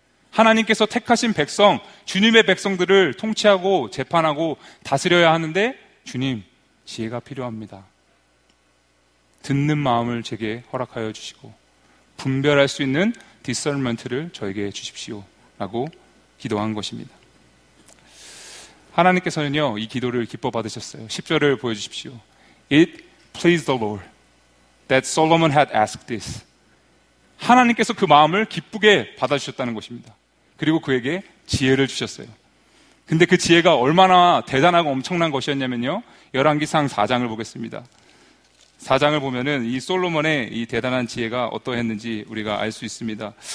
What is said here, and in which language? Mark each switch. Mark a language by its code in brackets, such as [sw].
[ko] 하나님께서 택하신 백성, 주님의 백성들을 통치하고 재판하고 다스려야 하는데 주님, 지혜가 필요합니다. 듣는 마음을 제게 허락하여 주시고 분별할 수 있는 디설먼트를 저에게 주십시오 라고 기도한 것입니다. 하나님께서는요, 이 기도를 기뻐 받으셨어요. 10절을 보여주십시오. [en] It pleased the Lord that Solomon had asked this. [ko] 하나님께서 그 마음을 기쁘게 받아주셨다는 것입니다. 그리고 그에게 지혜를 주셨어요. 근데 그 지혜가 얼마나 대단하고 엄청난 것이었냐면요, 열왕기상 4장을 보겠습니다. 4장을 보면은 이 솔로몬의 이 대단한 지혜가 어떠했는지 우리가 알 수 있습니다.